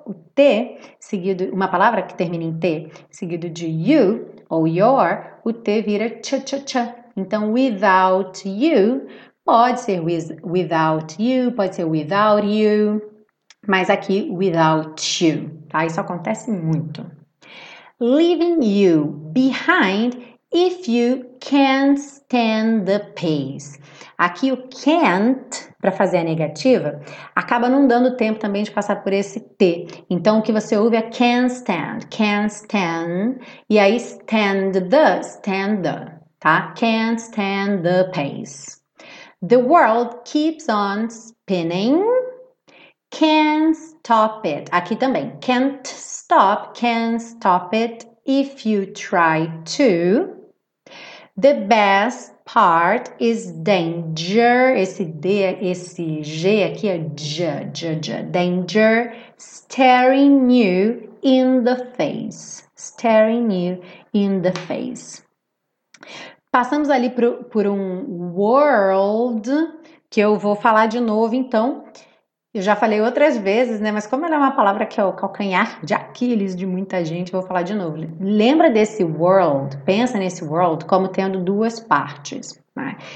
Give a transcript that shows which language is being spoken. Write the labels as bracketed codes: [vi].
[pt] O T seguido, uma palavra que termina em T seguido de you ou your, o T vira cha-cha-cha. Então, [en] without you [pt] pode ser without you, pode ser without you, mas aqui without you, tá? Isso acontece muito. [en] Leaving you behind. If you can't stand the pace. [pt] Aqui o can't, para fazer a negativa, acaba não dando tempo também de passar por esse T. Então o que você ouve é [en] can't stand, [pt] e aí [en] stand the, [pt] tá? [en] Can't stand the pace. The world keeps on spinning, can't stop it. [pt] Aqui também, [en] can't stop it if you try to. The best part is danger. [pt] Esse D, esse G aqui é j. [en] Danger staring you in the face. Staring you in the face. [pt] Passamos ali por um world que eu vou falar de novo, então. Eu já falei outras vezes, né? Mas como ela é uma palavra que é o calcanhar de Aquiles de muita gente, eu vou falar de novo. Lembra desse world, pensa nesse world como tendo duas partes, né?